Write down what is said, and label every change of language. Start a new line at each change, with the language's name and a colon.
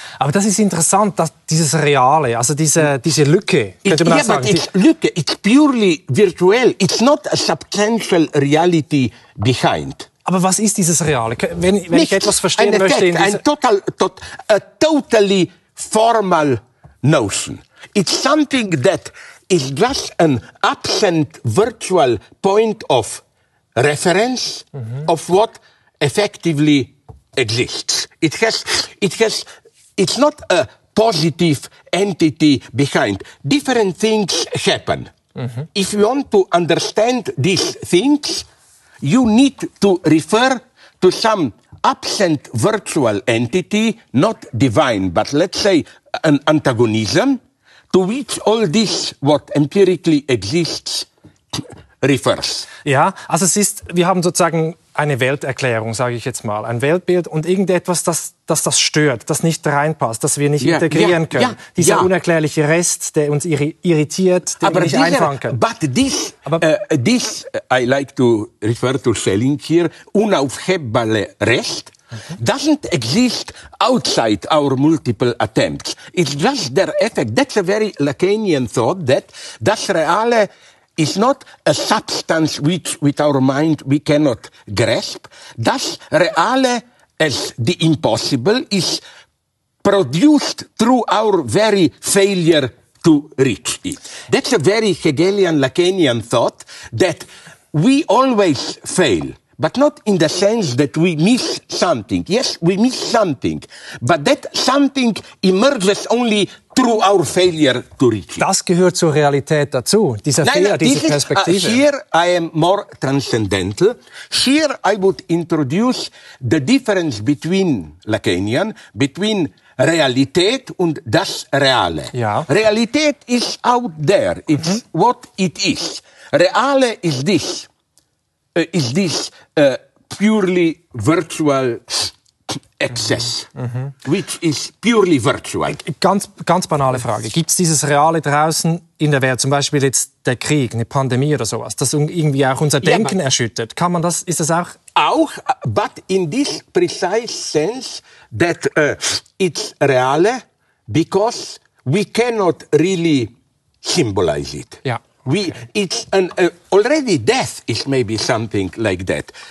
German: Aber das ist interessant, dass dieses Reale, also diese Lücke, könnte man sagen.
English: But it's Lücke, it's purely virtual, it's not a substantial reality behind.
German: Aber was ist dieses Reale? Wenn ich etwas verstehen
English: Effect,
German: möchte...
English: A totally formal notion. It's something that is just an absent virtual point of reference of what effectively exists. It's not a positive entity behind. Different things happen. If you want to understand these things, you need to refer to some absent virtual entity, not divine, but let's say an antagonism, to which all this, what empirically exists, refers.
German: Ja, also es ist, wir haben sozusagen eine Welterklärung, sage ich jetzt mal, ein Weltbild und irgendetwas, das stört, das nicht reinpasst, das wir nicht integrieren können. Ja, dieser unerklärliche Rest, der uns irritiert, den wir nicht einfangen können.
English: But this, aber this, I like to refer to Schelling here,
German: unaufhebbare Rest,
English: doesn't exist outside our multiple attempts. It's just their effect. That's a very Lacanian thought, that das Reale is not a substance which with our mind we cannot grasp. Das Reale as the impossible is produced through our very failure to reach it. That's a very Hegelian, Lacanian thought, that we always fail. But not in the sense that we miss something. Yes, we miss something. But that something emerges only through our failure to reach it.
German: Das gehört zur Realität dazu, dieser Fehler, diese Perspektive.
English: Here I am more transcendental. Here I would introduce the difference between Lacanian, between
German: Realität und das Reale.
English: Ja. Realität is out there. It's what it is. Reale is this. Is this purely virtual excess, which is purely virtual?
German: Ganz banale Frage. Gibt es dieses Reale draußen in der Welt, zum Beispiel jetzt der Krieg, eine Pandemie oder sowas, das irgendwie auch unser Denken erschüttert? Kann man das, ist das auch?
English: Auch, but in this precise sense that it's reale, because we cannot really symbolize it.
German: Ja.
English: It's an already death is maybe something like that.